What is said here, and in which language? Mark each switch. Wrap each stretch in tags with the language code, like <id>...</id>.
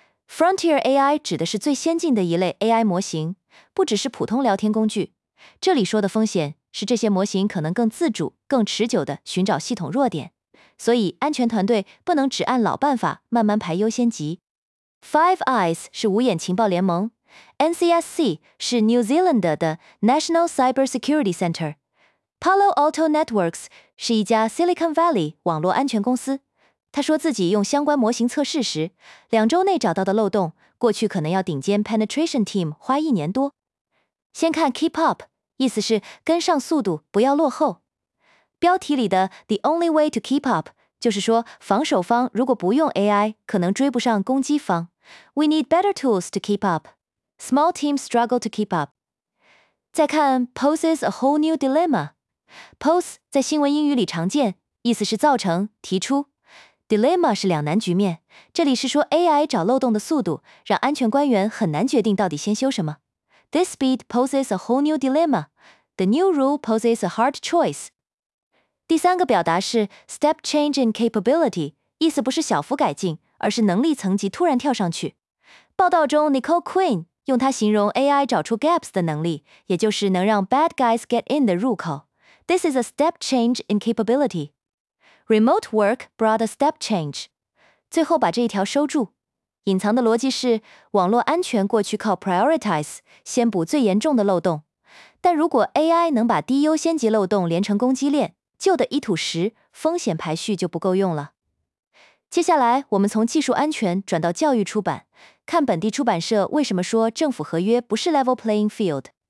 <zh>Frontier AI 指的是最先进的一类 AI 模型，不只是普通聊天工具。这里说的风险是这些模型可能更自主、更持久地寻找系统弱点，所以安全团队不能只按老办法慢慢排优先级。 Five Eyes 是五眼情报联盟 ，NCSC 是 New Zealand 的 National Cyber Security Center， Palo Alto Networks 是一家 Silicon Valley 网络安全公司。他说自己用相关模型测试时，两周内找到的漏洞，过去可能要顶尖 Penetration Team 花一年多。先看 Keep Up， 意思是跟上速度，不要落后。标题里的</zh> <en>The Only Way to Keep Up</en> <zh>就是说，防守方如果不用 AI， 可能追不上攻击方。</zh> <en>We need better tools to keep up. Small teams struggle to keep up.</en> <zh>再看</zh> <en>poses a whole new dilemma.</en> <zh>Pose 在新闻英语里常见，意思是造成、提出。 Dilemma 是两难局面，这里是说 AI 找漏洞的速度让安全官员很难决定到底先修什么。</zh> <en>This speed poses a whole new dilemma. The new rule poses a hard choice.</en> <zh>第三个表达是</zh> <en>step change in capability，</en> <zh>意思不是小幅改进，而是能力层级突然跳上去。报道中 Nicole Quinn 用它形容 AI 找出 gaps 的能力，也就是能让</zh> <en>bad guys get in</en> <zh>的入口。</zh> <en>This is a step change in capability. Remote work brought a step change.</en> <zh>最后把这一条收住，隐藏的逻辑是网络安全过去靠 prioritize 先补最严重的漏洞，但如果 AI 能把低优先级漏洞连成攻击链，旧的一土石风险排序就不够用了。接下来我们从技术安全转到教育出版，看本地出版社为什么说政府合约不是 level playing field。</zh>